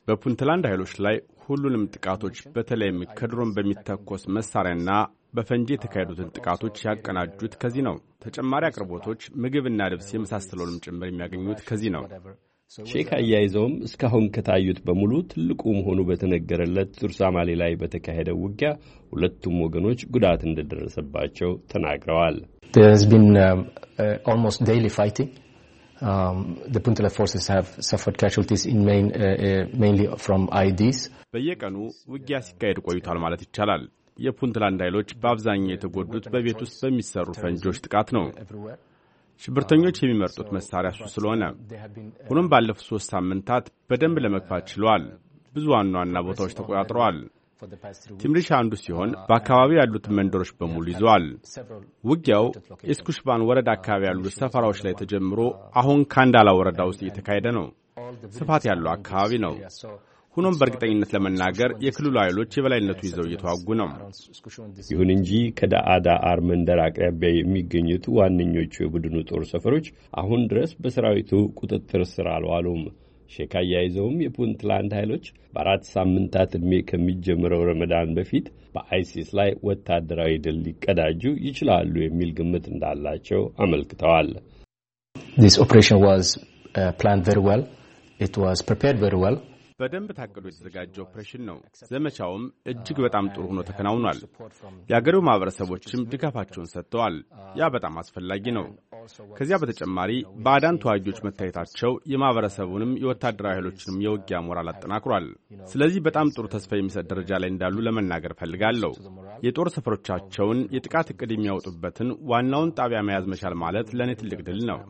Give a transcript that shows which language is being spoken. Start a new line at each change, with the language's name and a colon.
Amharic: በፑንትላንድ ኃይሎች ላይ ሁሉንም ጥቃቶች በተለይም ከድሮን በሚተኮስ መሳሪያና በፈንጂ የተካሄዱትን ጥቃቶች ያቀናጁት ከዚህ ነው። ተጨማሪ አቅርቦቶች፣ ምግብና ልብስ የመሳሰሉንም ጭምር የሚያገኙት ከዚህ ነው። ሼክ አያይዘውም እስካሁን ከታዩት በሙሉ ትልቁ መሆኑ በተነገረለት ቱርሳማሌ ላይ በተካሄደው ውጊያ ሁለቱም ወገኖች ጉዳት እንደደረሰባቸው ተናግረዋል።
English: There has been almost daily fighting. The Puntland forces have suffered casualties in mainly from IEDs.
Amharic: በየቀኑ ውጊያ ሲካሄድ ቆይቷል ማለት ይቻላል። የፑንትላንድ ኃይሎች በአብዛኛው የተጎዱት በቤት ውስጥ በሚሰሩ ፈንጆች ጥቃት ነው። ሽብርተኞች የሚመርጡት መሳሪያ እሱ ስለሆነ ሁሉም ባለፉት 3 ሳምንታት በደንብ ለመግፋት ችሏል። ብዙ ዋና ቦታዎች ተቆጣጥረዋል። ቲምሪሽ አንዱ ሲሆን በአካባቢው ያሉት መንደሮች በሙሉ ይዟል። ውጊያው እስኩሽባን ወረዳ አካባቢ ያሉት ሰፈራዎች ላይ ተጀምሮ አሁን ካንዳላ ወረዳ ውስጥ እየተካሄደ ነው። ስፋት ያለው አካባቢ ነው። ሁሉም በእርግጠኝነት ለመናገር የክልሉ ኃይሎች የበላይነቱ ይዘው እየተዋጉ ነው። ይሁን እንጂ ከዳአዳ አርመንደር አቅራቢያ የሚገኙት ዋነኞቹ የቡድኑ ጦር ሰፈሮች አሁን ድረስ በሰራዊቱ ቁጥጥር ስር አልዋሉም። ሼክ አያይዘውም የፑንትላንድ ኃይሎች በአራት ሳምንታት ዕድሜ ከሚጀምረው ረመዳን በፊት በአይሲስ ላይ ወታደራዊ ድል ሊቀዳጁ ይችላሉ የሚል ግምት እንዳላቸው አመልክተዋል።
English: This operation was planned very well. It was prepared very well.
Amharic: በደንብ ታቅዶ የተዘጋጀ ኦፕሬሽን ነው። ዘመቻውም እጅግ በጣም ጥሩ ሆኖ ተከናውኗል። የአገሬው ማህበረሰቦችም ድጋፋቸውን ሰጥተዋል። ያ በጣም አስፈላጊ ነው። ከዚያ በተጨማሪ በአዳን ተዋጊዎች መታየታቸው የማህበረሰቡንም የወታደራዊ ኃይሎችንም የውጊያ ሞራል አጠናክሯል። ስለዚህ በጣም ጥሩ ተስፋ የሚሰጥ ደረጃ ላይ እንዳሉ ለመናገር ፈልጋለሁ። የጦር ሰፈሮቻቸውን የጥቃት እቅድ የሚያወጡበትን ዋናውን ጣቢያ መያዝ መቻል ማለት ለእኔ ትልቅ ድል ነው።